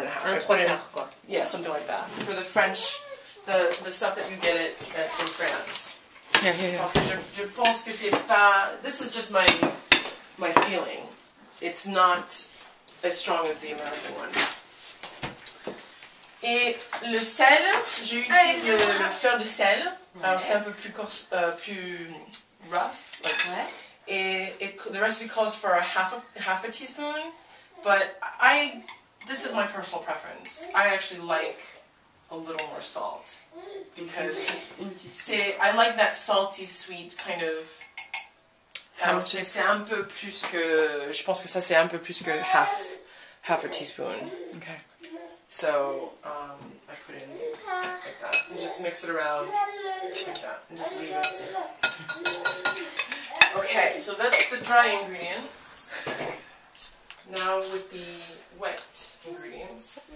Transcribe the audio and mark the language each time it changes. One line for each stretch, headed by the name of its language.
French: And trois quarts, quoi.
English: Yeah, something like that. For the French, the stuff that you get it in France. Yeah.
French: Parce que je pense que c'est pas,
English: this is just my feeling. It's not as strong as the American one.
French: Et le sel, j'utilise le fleur de sel. Okay. Alors c'est un peu plus coarse, plus rough.
English: Like,
French: ouais.
English: The recipe calls for a half a teaspoon, but this is my personal preference. I actually like a little more salt because I like that salty sweet kind of.
French: C'est un peu plus que je pense que ça c'est un peu plus que
English: half a teaspoon. Okay. So I put in like that and just mix it around like that and just leave it. Okay, so that's the dry ingredients. Now with the wet ingredients.